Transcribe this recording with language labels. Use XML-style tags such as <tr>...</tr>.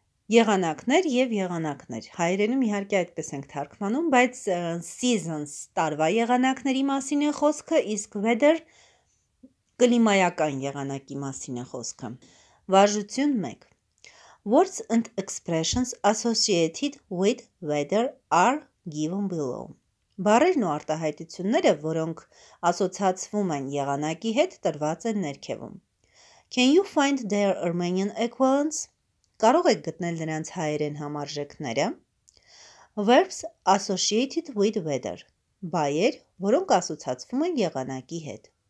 <hy>Եղանակներ եւ եղանակներ։ Հայերենում իհարկե այդպես ենք թարգմանում, բայց seasons տարվա եղանակների մասին է խոսքը, իսկ weather կլիմայական եղանակի մասին է խոսքը։ Վարժություն 1.</hy> <en>Words and expressions associated with weather are given below.</en> <hy>Բառերն ու արտահայտությունները, որոնք ասոցացվում են եղանակի հետ, տրված են ներքևում.</hy> <en>Can you find their Armenian equivalents?</en> <hy>Կարող եք գտնել նրանց հայերեն համարժեքները.</hy> <en>Verbs associated with weather.</en> <hy>Բայեր, որոնք ասոցացվում են եղանակի հետ.</hy>